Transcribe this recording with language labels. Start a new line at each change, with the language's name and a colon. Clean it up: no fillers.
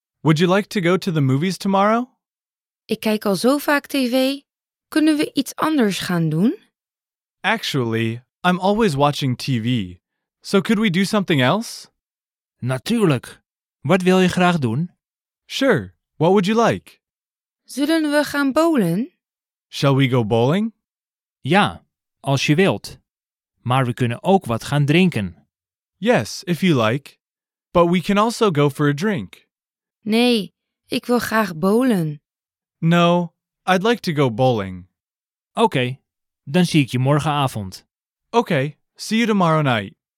English: Would you like to go to the movies tomorrow?
Dutch: Ik kijk al zo vaak tv. Kunnen we iets anders gaan doen?
English: Actually, I'm always watching TV, so could we do something else?
Dutch: Natuurlijk. Wat wil je graag doen?
English: Sure. What would you like?
Dutch: Zullen we gaan bowlen?
English: Shall we go bowling?
Dutch: Ja, als je wilt. Maar we kunnen ook wat gaan drinken.
English: Yes, if you like. But we can also go for a drink.
Dutch: Nee, ik wil graag bowlen.
English: No, I'd like to go bowling.
Dutch: Oké, dan zie ik je morgenavond.
English: Okay, see you tomorrow night.